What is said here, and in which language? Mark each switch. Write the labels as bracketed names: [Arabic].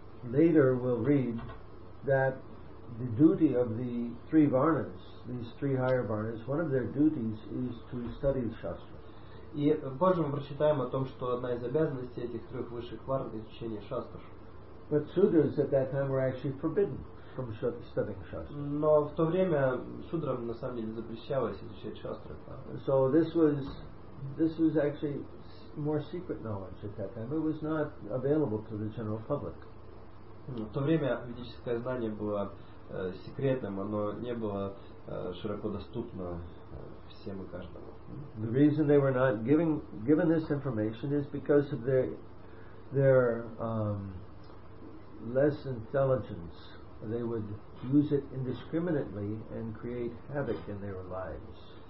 [English] Later we'll read that the duty of the three varnas, these three higher varnas, one of their duties is to study shastra. [Russian] И позже мы прочитаем о том, что одна из обязанностей этих трех высших варн – изучение шастр. [English] But sudras at that time were actually forbidden from studying shastra. [Russian] Но в то время судрам на самом деле запрещалось изучать шастры. [English] So this was actually more secret knowledge at that time. It was not available to the general public. [Russian] В то время ведическое знание было секретным, оно не было широко доступно всем и каждому. [English] The reason they were not given this information is because of their less intelligence. They would use it indiscriminately and create havoc in their lives.